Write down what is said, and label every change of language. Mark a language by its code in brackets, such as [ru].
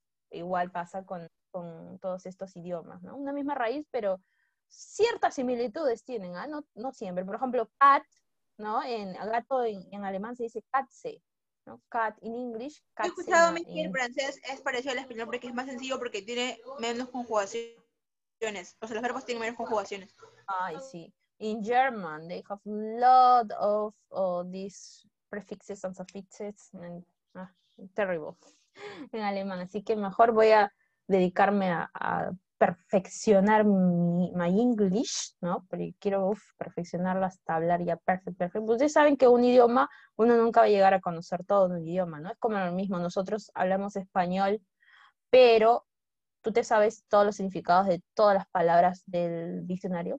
[es] Igual pasa con todos estos idiomas, ¿no? Una misma raíz, pero ciertas similitudes tienen, ¿ah? No siempre. Por ejemplo, cat, ¿no? En gato en alemán se dice Katze. [en] No, cat in English. Cat. [es] He escuchado a mí que el francés es parecido al español porque es más sencillo porque tiene menos conjugaciones. O sea, los verbos tienen menos conjugaciones. Ay, sí. [en] In German, they have lot of these prefixes and suffixes. [es] Terrible. En alemán. Así que mejor voy a dedicarme a perfeccionar [en] my English, [es] ¿no? Pero quiero perfeccionarlo hasta hablar ya perfecto. Ustedes saben que un idioma, uno nunca va a llegar a conocer todo un idioma, ¿no? Es como lo mismo, nosotros hablamos español, pero tú te sabes todos los significados de todas las palabras del diccionario.